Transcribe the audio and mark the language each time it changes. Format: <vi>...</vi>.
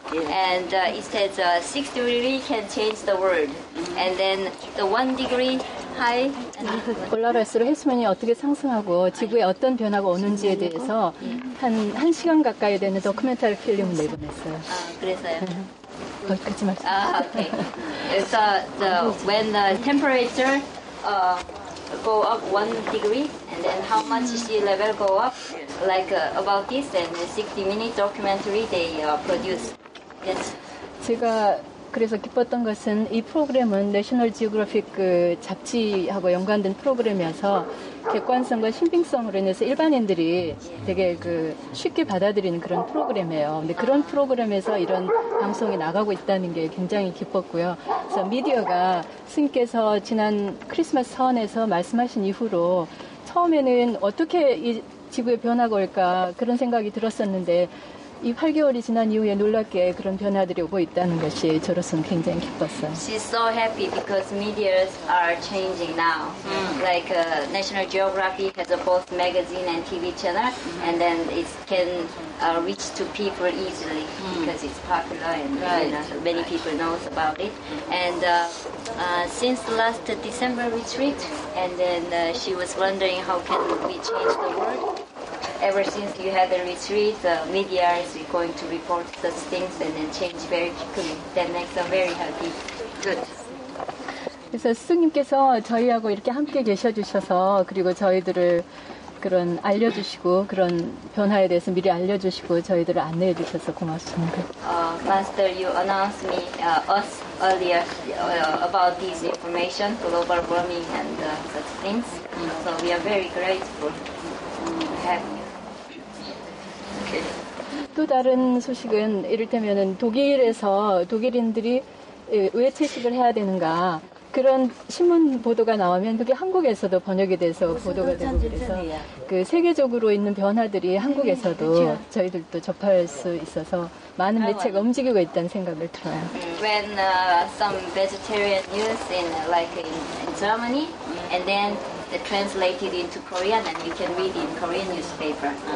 <en>And it says 6 degrees can change the world. And then the 1 degree high.</en> <ko>올라갈수록 해수면이 어떻게 상승하고 지구에 어떤 변화가 오는지에 대해서 한 시간 가까이 되는 도큐멘터리 필름을 내보냈어요. 그래서요? 거기까지 말씀. Okay.</ko> <en>So when the temperature go up 1 degree, and then how much sea level go up, like about this, and the 60-minute documentary they produce. Yes.</en> <ko>제가 그래서 기뻤던 것은 이 프로그램은 National Geographic 그 잡지하고 연관된 프로그램이어서 객관성과 신빙성으로 인해서 일반인들이 되게 그 쉽게 받아들이는 그런 프로그램이에요. 근데 그런 프로그램에서 이런 방송이 나가고 있다는 게 굉장히 기뻤고요. 그래서 미디어가 스님께서 지난 크리스마스 선에서 말씀하신 이후로 처음에는 어떻게 이 지구의 변화가 올까 그런 생각이 들었었는데 이 8개월이 지난 이후에 놀랍게 그런 변화들이 오고 있다는 것이 저로서는 굉장히 기뻤어요.</ko> <en>She's so happy because media are changing now. Like National Geography has a both magazine and TV channel, and then it can reach to people easily because it's popular and many people know about it. And since last December retreat, and then she was wondering how can we change the world. Ever since you had the retreat, the media is going to report such things and then change very quickly. That makes us very happy. Good.</en> <ko>그래서 스님께서 저희하고 이렇게 함께 계셔주셔서 그리고 저희들을 그런 알려주시고 그런 변화에 대해서 미리 알려주시고 저희들을 안내해 주셔서 고맙습니다.</ko> <en>Master, you announced me us earlier about these information, global warming and such things. So we are very grateful. Okay.</en> <ko>또 다른 소식은 이를테면 독일에서 독일인들이 왜 채식을 해야 되는가 그런 신문 보도가 나오면 그게 한국에서도 번역이 돼서 보도가 되고 그래서 그 세계적으로 있는 변화들이 한국에서도 저희들도 접할 수 있어서 많은 매체가 움직이고 있다는 생각을 들어요.</ko> <en>When some vegetarian news in Germany and then they translated into Korean and you can read in Korean newspaper.</en>